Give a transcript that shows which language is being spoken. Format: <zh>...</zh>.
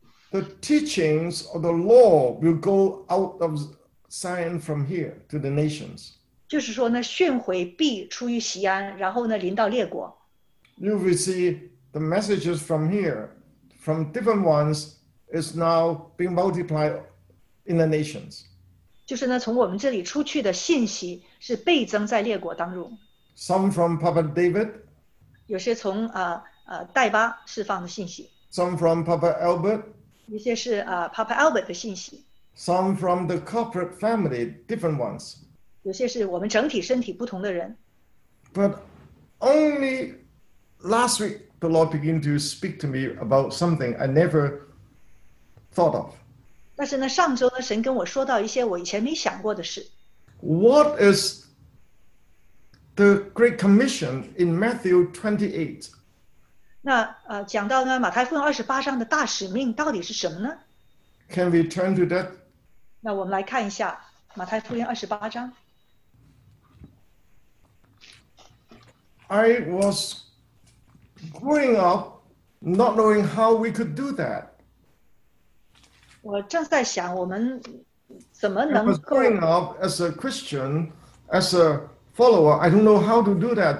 <en>The teachings of the law will go out of Zion from here to the nations.</en> <zh>就是说呢，训诲必出于锡安，然后呢，临到列国。</zh> <en>You will see the messages from here, from different ones, is now being multiplied in the nations.</en> <zh>就是呢，从我们这里出去的信息是倍增在列国当中。</zh> <en>Some from Prophet David.</en> <zh>有些从戴巴释放的信息。</zh> <en>Some from Prophet Albert.</en> <zh>有些是Prophet Albert的信息。</zh> <en>Some from the corporate family, different ones.</en> <zh>有些是我们整体身体不同的人。</zh> <en>But only last week, the Lord began to speak to me about something I never thought of.</en> <zh>但是呢，上周呢，神跟我说到一些我以前没想过的事。</zh> <en>What is the Great Commission in Matthew 28?</en> <zh>那讲到呢，马太福音28章的大使命到底是什么呢？</zh> <en>Can we turn to that?</en> <zh>那我们来看一下马太福音28章。</zh> <en>I was growing up not knowing how we could do that.</en> <zh>我正在想我们怎么能够...</zh> <en>I was growing up as a Christian, as a follower, I don't know how to do that.</en>